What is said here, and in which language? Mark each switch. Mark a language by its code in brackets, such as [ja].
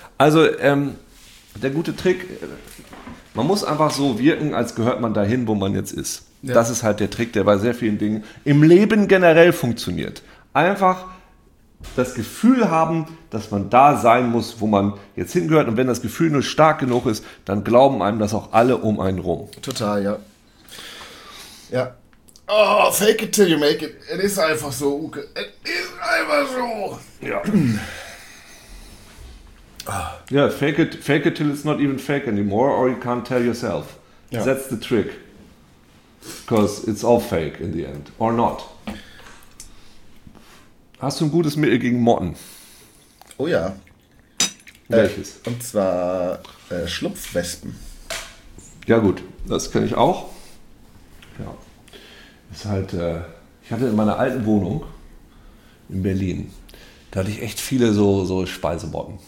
[de] Also der gute Trick, man muss einfach so wirken, als gehört man dahin, wo man jetzt ist. Ja. Das ist halt der Trick, der bei sehr vielen Dingen im Leben generell funktioniert. Einfach das Gefühl haben, dass man da sein muss, wo man jetzt hingehört und wenn das Gefühl nur stark genug ist, dann glauben einem das auch alle um einen rum. Total, ja. Ja. [en] Oh, fake it till you make it. [de] Es ist einfach so, Uke. Es ist einfach so. Ja. [en] Ja, fake it till it's not even fake anymore or you can't tell yourself. [de] Ja. [en] That's the trick. Because it's all fake in the end. Or not. [de] Hast du ein gutes Mittel gegen Motten? Oh ja. Welches? Und zwar Schlupfwespen. Ja gut, das kenne ich auch. Ja, ist halt. Ich hatte in meiner alten Wohnung in Berlin, da hatte ich echt viele so Speisemotten.